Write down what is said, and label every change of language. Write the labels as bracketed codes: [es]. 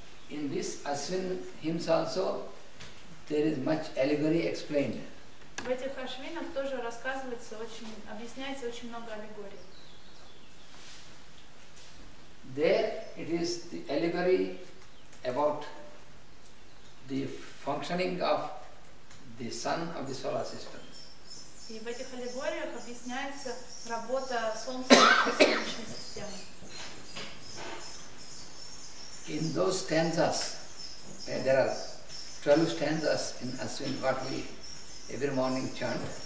[en] In this Aswin hymns also, there is much allegory explained. [ru] В этих ашвинах тоже рассказывается очень, объясняется очень много аллегорий. [en] There it is the allegory about the functioning of the sun of the solar system. [ru] И в этих аллегориях объясняется работа солнца в солнечной системе. [en] In those stanzas, there are 12 stanzas in Aswin, what we every morning chant.